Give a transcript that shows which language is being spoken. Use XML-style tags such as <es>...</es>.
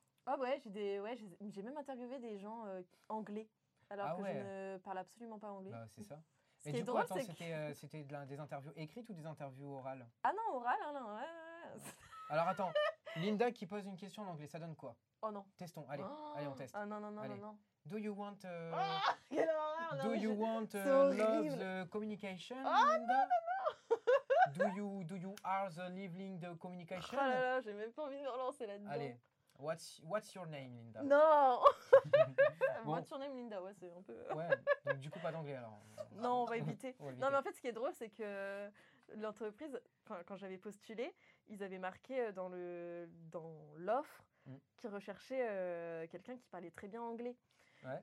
<fr>Ah ouais, j'ai même interviewé des gens anglais, alors que je ne parle absolument pas anglais. Bah, c'est ça. Mais du coup, drôle, attends, c'était des interviews écrites ou des interviews orales? Ah non, orales, hein, non. Ouais. Alors attends, Linda qui pose une question en anglais, ça donne quoi? Oh non. Testons, allez, on teste. Ah non.</fr> <en>Do you want...</en> <fr>quelle horreur!</fr> <en>Do you want love the communication, Linda?</en> <fr>Oh non.</fr> <en>Do you are the living the communication?</en> <fr>Ah là là, j'ai même pas envie de me relancer là-dedans.</fr> <en>Allez, what's your name, Linda?</en> <fr>Non. Bon.</fr> <en>What's your name, Linda?</en> <fr>Ouais, c'est un peu... Ouais, donc du coup, pas d'anglais, alors. Non, on va éviter. Non, mais en fait, ce qui est drôle, c'est que l'entreprise, quand j'avais postulé, ils avaient marqué dans l'offre qu'ils recherchaient quelqu'un qui parlait très bien anglais. Ouais.</fr>